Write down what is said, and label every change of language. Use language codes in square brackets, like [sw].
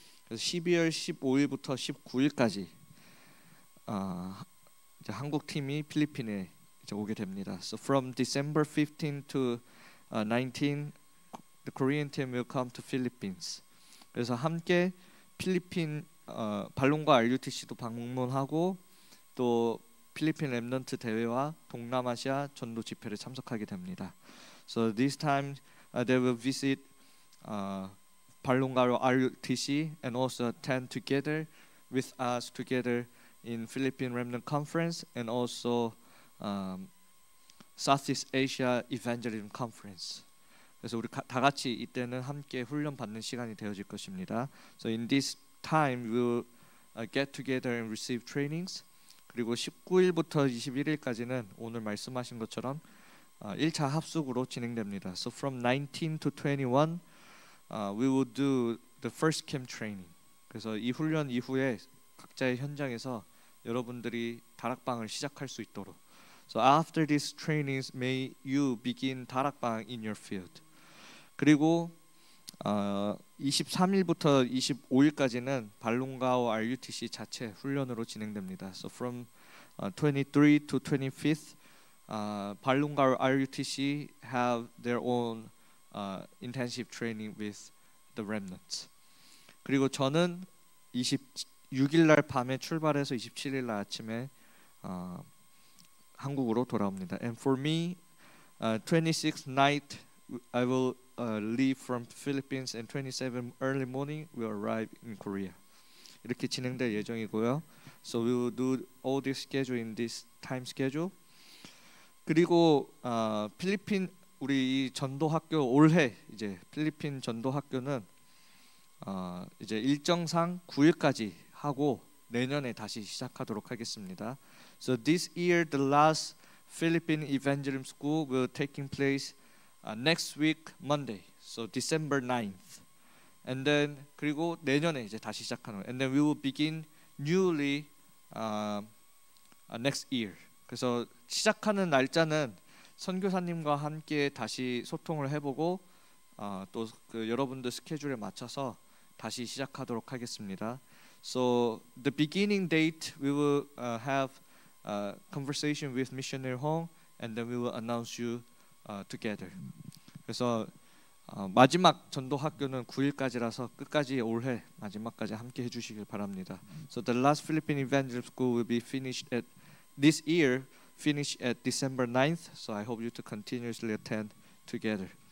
[ko] 12월 15일부터 19일까지 이제 한국 팀이 필리핀에 이제 오게 됩니다. [en] So from December 15 to 19, the Korean team will come to Philippines. [ko] 그래서 함께 필리핀 발롱과 RUTC도 방문하고 또 필리핀 렘넌트 대회와 동남아시아 전도 집회를 참석하게 됩니다. [en] So this time they will visit Palunggaro RUTC and also attend together with us together in Philippine Remnant Conference and also Southeast Asia Evangelism Conference. [ko] 그래서 우리 다 같이 이때는 함께 훈련 받는 시간이 되어질 것입니다. [en] So in this time we'll get together and receive trainings. [ko] 그리고 19일부터 21일까지는 오늘 말씀하신 것처럼 1차 합숙으로 진행됩니다. [en] So from 19 to 21, we will do the first camp training. [ko] 그래서 이 훈련 이후에 각자의 현장에서 여러분들이 다락방을 시작할 수 있도록. [en] So after these trainings, may you begin 다락방 in your field. [ko] 그리고 23일부터 25일까지는 발롱가오 RUTC 자체 훈련으로 진행됩니다. [en] So from 23 to 25th, 발롱가오 RUTC have their own intensive training with the remnants. [ko] 그리고 저는 26일날 밤에 출발해서 27일날 아침에 한국으로 돌아옵니다. [en] And for me, 26th night, I will leave from Philippines and 27 early morning we arrive in Korea. [ko] 이렇게 진행될 예정이고요. [en] So we will do all this schedule in this time schedule. [ko] 그리고 필리핀 우리 전도 학교 올해 이제 필리핀 전도 학교는 이제 일정상 9일까지 하고 내년에 다시 시작하도록 하겠습니다. [en] So this year the last Philippine Evangelism School will taking place next week Monday, so December 9th, and then [ko] 그리고 내년에 이제 다시 시작하는 [en] and then we will begin newly next year. [ko] 그래서 시작하는 날짜는 선교사님과 함께 다시 소통을 해보고 또 그 여러분들 스케줄에 맞춰서 다시 시작하도록 하겠습니다. [en] So the beginning date we will have a conversation with Missionary Hong, and then we will announce you together. [ko] 그래서 마지막 전도 학교는 9일까지라서 끝까지 올해 마지막까지 함께 해주시길 바랍니다. [en] So the last Philippine Evangelism School will be finished at this year, finished at December 9th. So I hope you to continuously attend together.